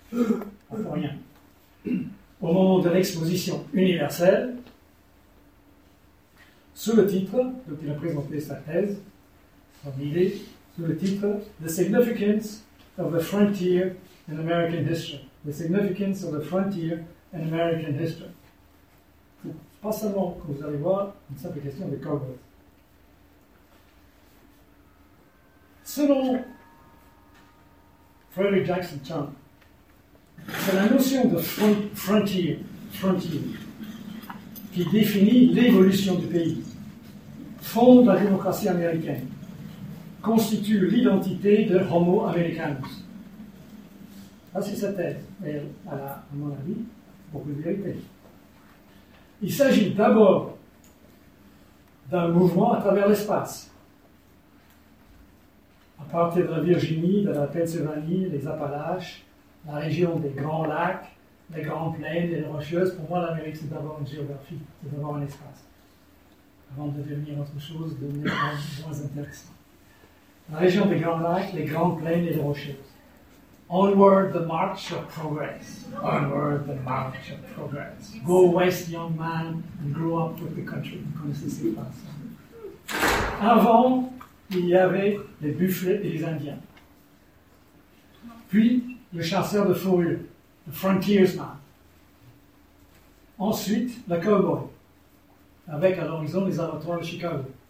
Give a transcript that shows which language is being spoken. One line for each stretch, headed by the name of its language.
French: Pas pour rien. Au moment de l'exposition universelle, sous le titre, donc il a présenté sa thèse, son idée, sous le titre The Significance of the Frontier in American History.
English: The Significance of the Frontier in American History.
French: Pas seulement que vous allez voir une simple question de Corbett. Selon Frederick Jackson Turner, c'est la notion de frontier, qui définit l'évolution du pays, fonde la démocratie américaine, constitue l'identité de Homo Americanus. Ça, c'est sa thèse, et elle a, à mon avis, beaucoup de vérité. Il s'agit d'abord d'un mouvement à travers l'espace, partir de la Virginie, de la Pennsylvanie, les Appalaches, la région des grands lacs, des grandes plaines, des rocheuses. Pour moi, l'Amérique, c'est d'abord une géographie, c'est d'abord un espace. Avant de devenir autre chose, de devenir moins intéressant. La région des grands lacs, les grandes plaines et les rocheuses.
English: Onward the march of progress. Onward the march of progress. Go west, young man, and grow up with the country.
French: Vous connaissez ces phrases. Avant, il y avait les buffles et les indiens. Puis, le chasseur de fourrure, le frontiersman. Ensuite, le cowboy, avec à l'horizon les abattoirs de Chicago.